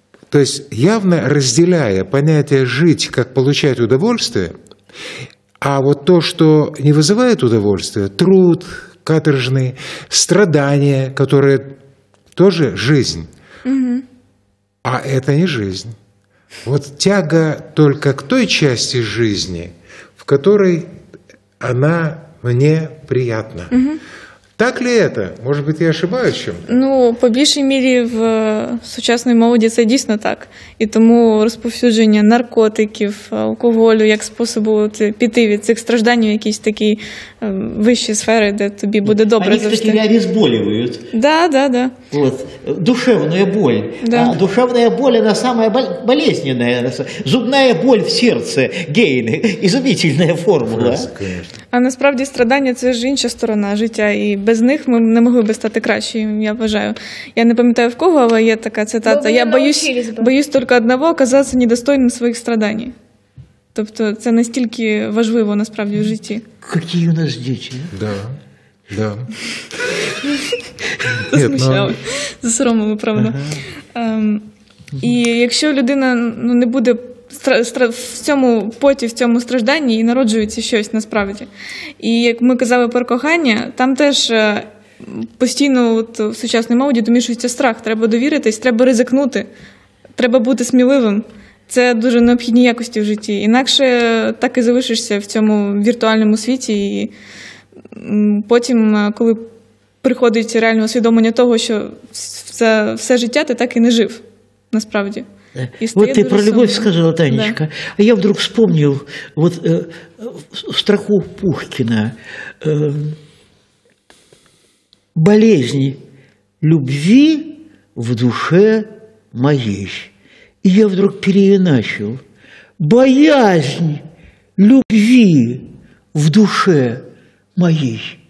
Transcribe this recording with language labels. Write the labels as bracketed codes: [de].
[ru] То есть явно разделяя понятие жить как получать удовольствие, а вот то, что не вызывает удовольствия, труд каторжный, страдания, которые тоже жизнь, а это не жизнь. Вот тяга только к той части жизни, в которой она мне приятна. Так ли это? Может быть, я ошибаюсь в чем-то? [uk] Ну, по більшій мірі в сучасної молоді це дійсно так. І тому розповсюдження наркотиків, алкоголю, як способу піти від цих страждань в якісь такі вищі сфери, де тобі буде добре завжди. Вони, кстати, обезболюють. Да, да, да. От, душевна боль. Да. А душевна боль, вона [ru] самая болезненна. [uk] Зубна боль в серці. Гейне. Ізумительна формула. А насправді страдання – це ж інша сторона життя, і без них ми не могли би стати кращими, я вважаю. Я не пам'ятаю, в кого, але є така цитата. Я боюсь тільки одного – оказатися недостойним своїх страданий. Тобто це настільки важливо насправді в житті. Які у нас діти? Да, да. Це смущало. Засоромило, правда. І якщо людина не буде в цьому поті, в цьому стражданні і народжується щось насправді. І як ми казали про кохання, там теж постійно от, в сучасній молоді домішується страх. Треба довіритись, треба ризикнути, треба бути сміливим. Це дуже необхідні якості в житті. Інакше так і залишишся в цьому віртуальному світі. І потім, коли приходить реальне усвідомлення того, що все життя ти так і не жив насправді. [ru] Вот ты про любовь сказала, Танечка, да. А я вдруг вспомнил вот страху Пушкина. Болезни любви в душе моей. И я вдруг переиначил. Боязнь любви в душе моей.